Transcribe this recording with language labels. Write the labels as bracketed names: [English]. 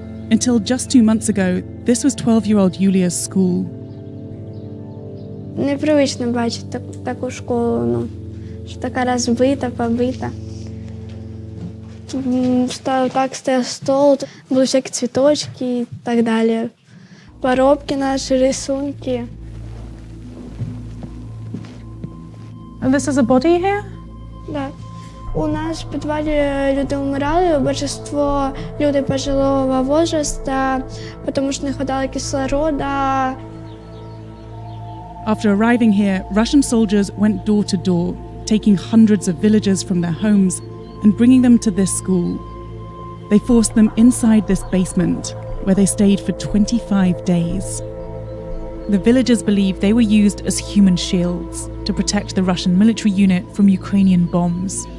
[English] Until just 2 months ago, this was 12-year-old Yulia's school. [Ukrainian] Непривично бачити таку школу, ну, що така розбита, побита. Так стояв стол, були всякі цвіточки і так далі. Поробки наші, рисунки. [English] And this is a body here? [Russian] Да. [Ukrainian] У нас в підвалі люди вмирали, більшість людей пожилого віку, тому що не хватало кислорода. [English] After arriving here, Russian soldiers went door to door, taking hundreds of villagers from their homes and bringing them to this school. They forced them inside this basement, where they stayed for 25 days. The villagers believe they were used as human shields to protect the Russian military unit from Ukrainian bombs.